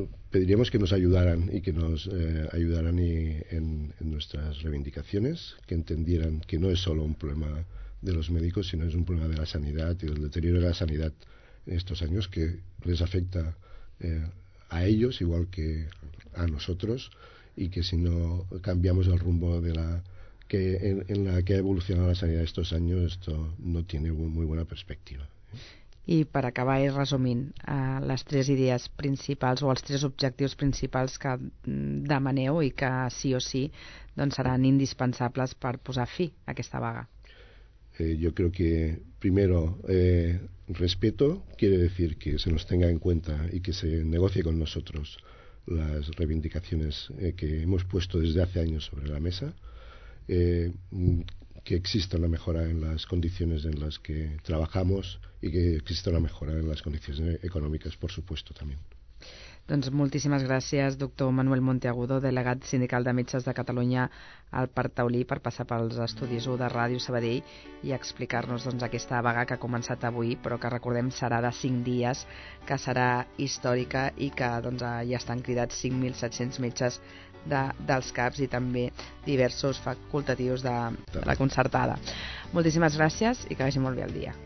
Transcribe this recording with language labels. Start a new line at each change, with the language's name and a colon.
Spanish: Pediríamos que nos ayudaran y que nos ayudaran en nuestras reivindicaciones, que entendieran que no es solo un problema de los médicos, sino es un problema de la sanidad y del deterioro de la sanidad en estos años, que les afecta a ellos igual que a nosotros, y que si no cambiamos el rumbo en la que ha evolucionado la sanidad estos años, esto no tiene muy buena perspectiva.
Catalan: I per acabar, resumint, les tres idees principals o els tres objectius principals que demaneu i que sí o sí seran indispensables per posar fi a aquesta vaga.
Spanish: Yo creo que primero, respeto, quiere decir que se nos tenga en cuenta y que se negocie con nosotros las reivindicaciones que hemos puesto desde hace años sobre la mesa, que exista una mejora en las condiciones en las que trabajamos y que exista una mejora en las condiciones económicas, por supuesto, también.
Catalan: Doncs moltíssimes gràcies, doctor Manuel Monteagudo, delegat sindical de metges de Catalunya al Partaulí, per passar pels estudis 1 de Ràdio Sabadell i explicar-nos aquesta vaga que ha començat avui, però que recordem serà de 5 dies, que serà històrica i que ja estan cridats 5.700 metges dels CAPs i també diversos facultatius de la concertada. Moltíssimes gràcies i que vagi molt bé el dia.